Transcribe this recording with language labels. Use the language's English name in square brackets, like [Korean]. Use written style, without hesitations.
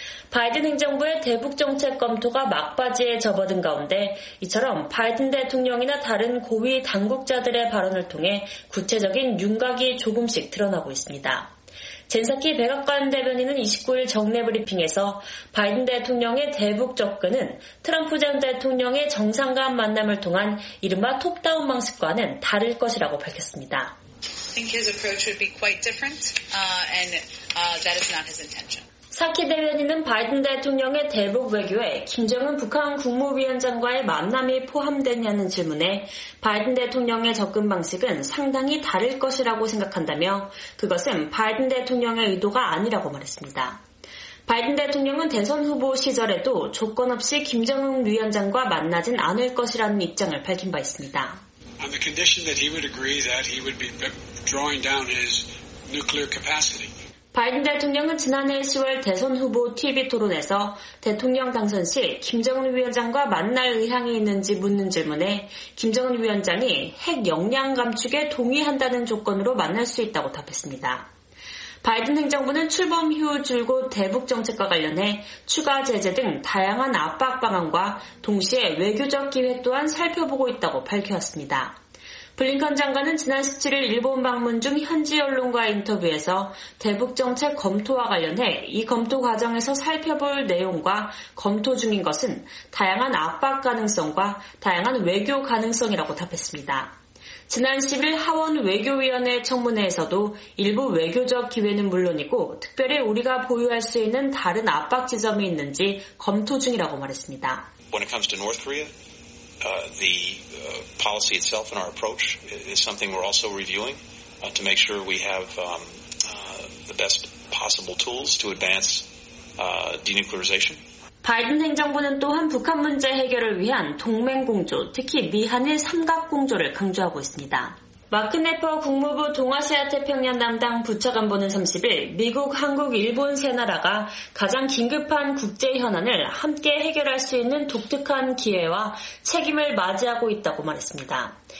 [Korean] 바이든 행정부의 대북 정책 검토가 막바지에 접어든 가운데 이처럼 바이든 대통령이나 다른 고위 당국자들의 발언을 통해 구체적인 윤곽이 조금씩 드러나고 있습니다. 젠사키 백악관 대변인은 29일 정례 브리핑에서 바이든 대통령의 대북 접근은 트럼프 전 대통령의 정상간 만남을 통한 이른바 톱다운 방식과는 다를 것이라고 밝혔습니다. [English] I think his approach would be quite different, and that is not his intention. [Korean] 사키 대변인은 바이든 대통령의 대북 외교에 김정은 북한 국무위원장과의 만남이 포함되냐는 질문에 바이든 대통령의 접근 방식은 상당히 다를 것이라고 생각한다며 그것은 바이든 대통령의 의도가 아니라고 말했습니다. 바이든 대통령은 대선 후보 시절에도 조건 없이 김정은 위원장과 만나진 않을 것이라는 입장을 밝힌 바 있습니다. [English] On the condition that he would agree that he would be drawing down his nuclear capacity. [Korean] 바이든 대통령은 지난해 10월 대선 후보 TV 토론에서 대통령 당선 시 김정은 위원장과 만날 의향이 있는지 묻는 질문에 김정은 위원장이 핵 역량 감축에 동의한다는 조건으로 만날 수 있다고 답했습니다. 바이든 행정부는 출범 이후 줄곧 대북 정책과 관련해 추가 제재 등 다양한 압박 방안과 동시에 외교적 기획 또한 살펴보고 있다고 밝혔습니다. 블링컨 장관은 지난 17일 일본 방문 중 현지 언론과의 인터뷰에서 대북 정책 검토와 관련해 이 검토 과정에서 살펴볼 내용과 검토 중인 것은 다양한 압박 가능성과 다양한 외교 가능성이라고 답했습니다. 지난 10일 하원 외교위원회 청문회에서도 일부 외교적 기회는 물론이고 특별히 우리가 보유할 수 있는 다른 압박 지점이 있는지 검토 중이라고 말했습니다. [English] When it comes to North Korea, policy itself and our approach is something we're also reviewing to make sure we have the best possible tools to advance denuclearization. [Korean] 바이든 행정부는 또한 북한 문제 해결을 위한 동맹 공조, 특히 미한일 삼각 공조를 강조하고 있습니다. 마크 네퍼 국무부 동아시아태평양 담당 부차관보는 30일 미국, 한국, 일본 세 나라가 가장 긴급한 국제 현안을 함께 해결할 수 있는 독특한 기회와 책임을 맞이하고 있다고 말했습니다.